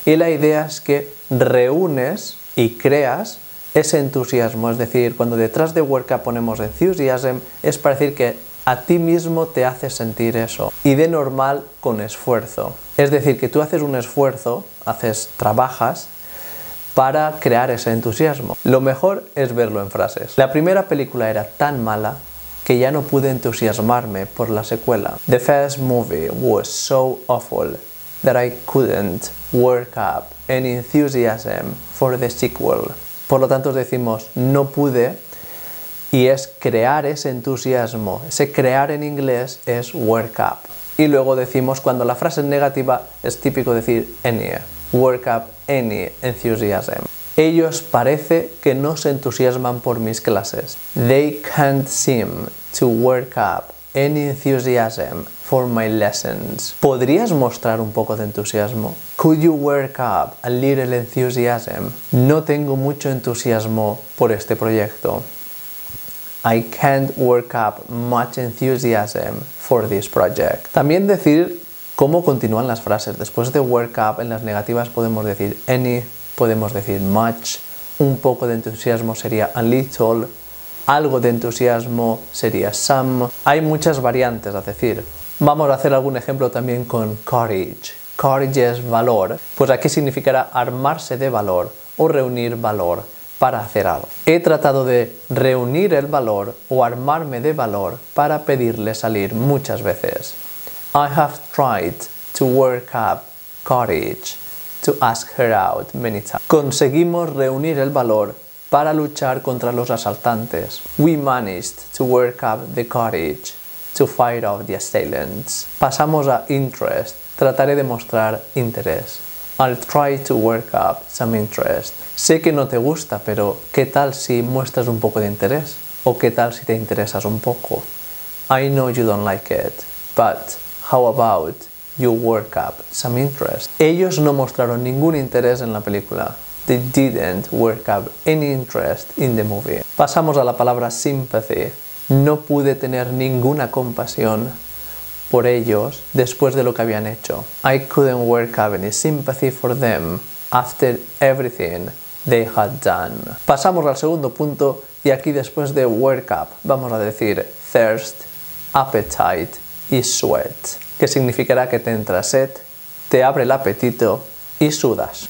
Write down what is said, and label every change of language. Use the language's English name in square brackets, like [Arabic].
[Spanish] Y la idea es que reúnes y creas ese entusiasmo, es decir, cuando detrás de work up ponemos enthusiasm, es para decir que a ti mismo te hace sentir eso. Y de normal, con esfuerzo. Es decir, que tú haces un esfuerzo, trabajas para crear ese entusiasmo. Lo mejor es verlo en frases. La primera película era tan mala que ya no pude entusiasmarme por la secuela. [English] The first movie was so awful that I couldn't work up any enthusiasm for the sequel. [Spanish] Por lo tanto, decimos no pude y es crear ese entusiasmo. Ese crear en inglés es work up. Y luego decimos cuando la frase es negativa, es típico decir any, [English] work up any enthusiasm. [Spanish] Ellos parece que no se entusiasman por mis clases. [English] They can't seem to work up any enthusiasm for my lessons. [Spanish] ¿Podrías mostrar un poco de entusiasmo? [English] Could you work up a little enthusiasm? [Spanish] No tengo mucho entusiasmo por este proyecto. [English] I can't work up much enthusiasm for this project. [Spanish] También decir cómo continúan las frases. Después de work up, en las negativas podemos decir any, podemos decir much. Un poco de entusiasmo sería a little. Algo de entusiasmo sería some. Hay muchas variantes a decir. Vamos a hacer algún ejemplo también con courage. Courage es valor. Pues aquí significará armarse de valor o reunir valor para hacer algo. He tratado de reunir el valor o armarme de valor para pedirle salir muchas veces. [English] I have tried to work up courage to ask her out many times. [Spanish] Conseguimos reunir el valor para luchar contra los asaltantes. [English] We managed to work up the courage to fight off the assailants. [Spanish] Pasamos a interest. Trataré de mostrar interés. [English] I'll try to work up some interest. [Spanish] Sé que no te gusta, pero ¿qué tal si muestras un poco de interés? ¿O qué tal si te interesas un poco? [English] I know you don't like it, but how about you work up some interest? [Spanish] Ellos no mostraron ningún interés en la película. [English] They didn't work up any interest in the movie. [Spanish] Pasamos a la palabra sympathy. No pude tener ninguna compasión por ellos después de lo que habían hecho. [English] I couldn't work up any sympathy for them after everything they had done. [Spanish] Pasamos al segundo punto y aquí después de work up vamos a decir thirst, appetite y sweat, que significará que te entra sed, te abre el apetito y sudas.